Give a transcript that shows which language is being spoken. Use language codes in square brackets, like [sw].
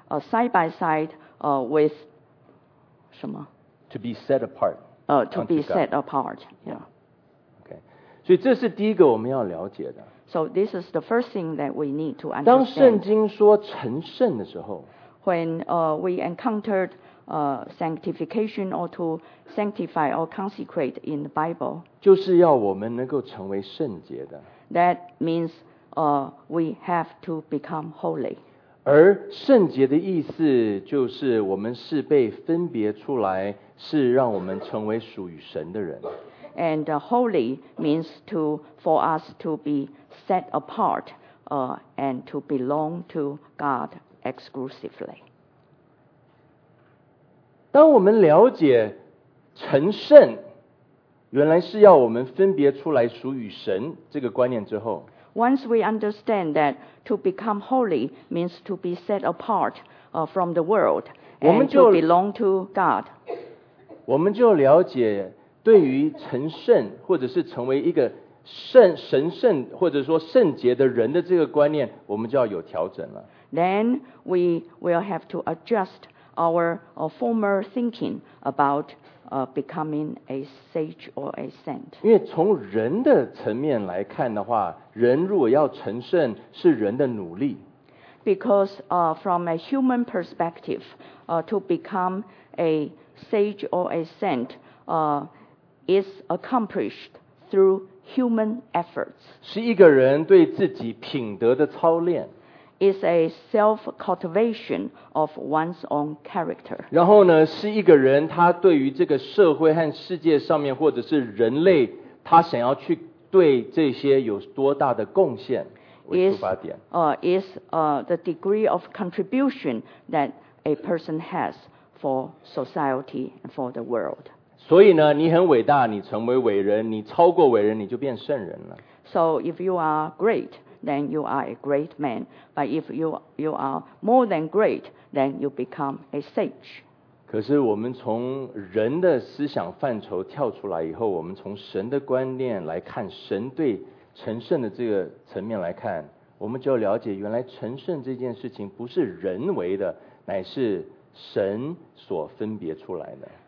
[en] Side by side with [zh] 什么 [en] to be set apart to be set apart yeah. Okay. [zh] 所以这是第一个我们要了解的。 [en] So this is the first thing that we need to understand. [zh] 当圣经说成圣的时候， [en] When we encountered sanctification or to sanctify or consecrate in the Bible, [zh] 就是要我们能够成为圣洁的。 [en] That means we have to become holy. [zh] 而圣洁的意思就是我们是被分别出来，是让我们成为属于神的人。 [en] And holy means to for us to be set apart, and to belong to God exclusively. [zh] 当我们了解成圣，原来是要我们分别出来属于神这个观念之后。 [en] Once we understand that to become holy means to be set apart from the world and to belong to God. [zh] 我们就了解对于成圣或者是成为一个圣神圣或者说圣洁的人的这个观念，我们就要有调整了。 [en] Then we will have to adjust our former thinking about becoming a sage or a saint. [zh] 因为从人的层面来看的话，人如果要成圣是人的努力。 [en] Because from a human perspective, to become a sage or a saint, is accomplished through human efforts. [zh] 是一个人对自己品德的操练。 [en] Is a self-cultivation of one's own character. [zh] 然后呢，是一个人他对于这个社会和世界上面，或者是人类，他想要去对这些有多大的贡献为出发点。 [en] Is the degree of contribution that a person has for society and for the world. [zh] 所以呢，你很伟大，你成为伟人，你超过伟人，你就变圣人了。 [en] So if you are great. Then you are a great man. But if you are more than great, then you become a sage. [zh] 可是我们从人的思想范畴跳出来以后，我们从神的观念来看，神对成圣的这个层面来看，我们就了解原来成圣这件事情不是人为的，乃是神所分别出来的。